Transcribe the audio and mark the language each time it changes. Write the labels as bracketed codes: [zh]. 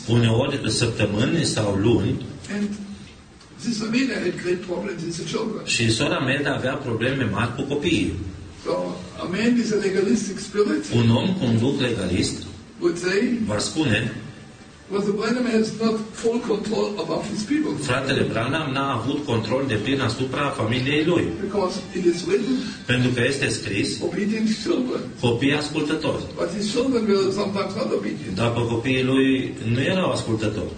[ro] Uneori săptămâni sau luni. [en] And this Amina had great problems with the children. [ro] Și sora Amina avea probleme mari cu copiii. [en] So, a man is a legalistic spirit. [ro] Un om cu un duh legalist [en] would say, [ro] v-ar spune, [en] but the Branham has not full control above his people. [ro] Fratele Branham n-a avut control de plin asupra familiei lui. [en] Because it is written, [ro] pentru că este scris, [en] obedient children. [ro] Copii ascultători. [en] But his children were sometimes not obedient. [ro] Dar copiii lui nu erau ascultători.